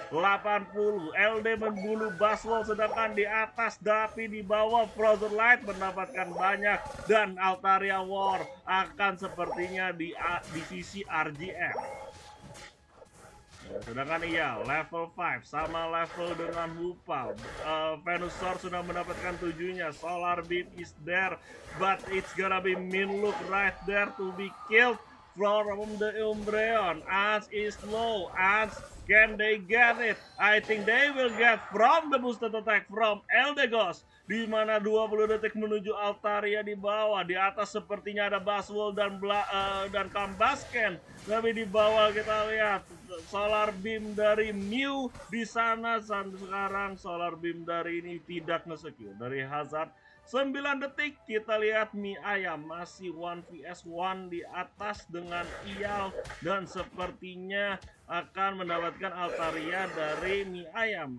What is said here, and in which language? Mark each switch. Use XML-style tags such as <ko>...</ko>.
<id>80 LD membunuh Baswell, sedangkan di atas Dapi di bawah Frozen Light mendapatkan banyak, dan Altaria War akan sepertinya di sisi RGM. Sedangkan iya, level 5 sama level dengan Hupa. Venusaur sudah mendapatkan 7-nya.</id> <en>Solar Beam is there, but it's gonna be Minluk right there to be killed from the Umbreon. Ants is low. Ants, can they get it? I think they will get from the boosted attack from Eldegoss.</en> <id>Di mana 20 detik menuju Altaria di bawah. Di atas sepertinya ada Baswell dan Kambasken. Tapi di bawah kita lihat Solar Beam dari Mew di sana. Sekarang Solar Beam dari ini tidak nge-secure dari Hazard. 9 detik, kita lihat Mi Ayam masih 1v1 di atas dengan Iyal, dan sepertinya akan mendapatkan Altaria dari Mi Ayam.</id>